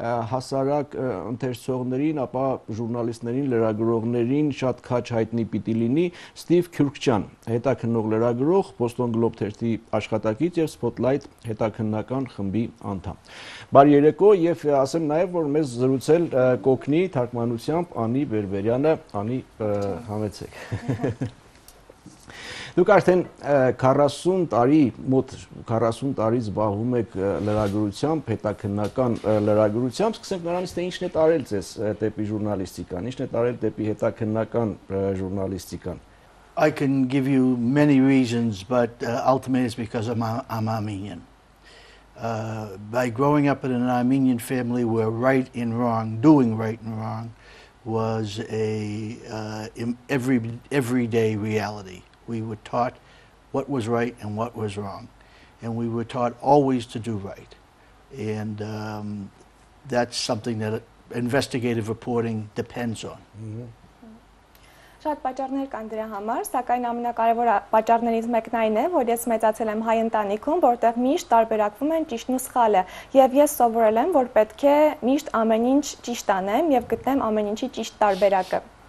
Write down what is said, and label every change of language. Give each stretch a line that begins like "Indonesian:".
Armenian: հասարակ ընթերցողներին, ապա ժուրնալիստներին, լրագրողներին շատ քաչ հայտնի պիտի լինի, Սթիվ Քյուրքչյան, հետաքննող լրագրող, Boston Globe թերթի աշխատակից և Spotlight հետաքննական խմբի անդամ։ Բարի երեկո, և ասեմ նաև, որ մեզ զրուցել կոգնի թարգմանությամբ Անի Բերբերյանը, Անի, համեցեք։ Դուք արդեն 40 տարի, մոտ 40 տարի զբաղվում եք լրագրությամբ, հետաքննական լրագրությամբ, սկսենք նրանից, թե ինչն է տարել ձեզ դեպի ժուրնալիստիկան, ինչն է տարել դեպի հետաքննական ժուրնալիստիկան։
English: I can give you many reasons, but ultimately it's because I'm Armenian. By growing up in an Armenian family where right and wrong, doing right and wrong, was a everyday reality. We were taught what was right and what was wrong. And we were taught always to do right. And that's something that investigative reporting depends on.
Armenian: Շատ պատճառներ կան դրա համար, սակայն ամենակարևոր պատճառներից մեկն այն է, որ ես մեծացել եմ հայ ընտանիքում, որտեղ միշտ տարբերակվում են ճիշտն ու սխալը, եւ ես սովորել եմ, որ պետք է միշտ ամեն ինչ ճիշտ անեմ եւ գտնեմ ամեն ինչի ճիշտ տարբերակը։